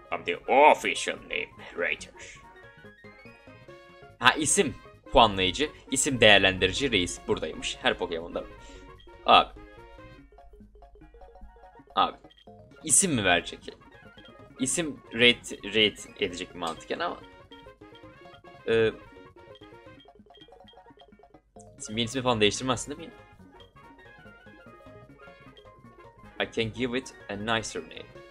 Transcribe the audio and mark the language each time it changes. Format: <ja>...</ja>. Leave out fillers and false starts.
<en>I'm the official name, Raider.</en> <tr>Ha isim puanlayıcı, isim değerlendirici reis buradaymış. Her Pokemon'da. Abi. Abi. İsim mi verecek ki? İsim rate edecek mi mantıken ama. Şimdi ismi falan değiştirmezsin değil mi?</tr> <en>I can give it a nicer name.</en>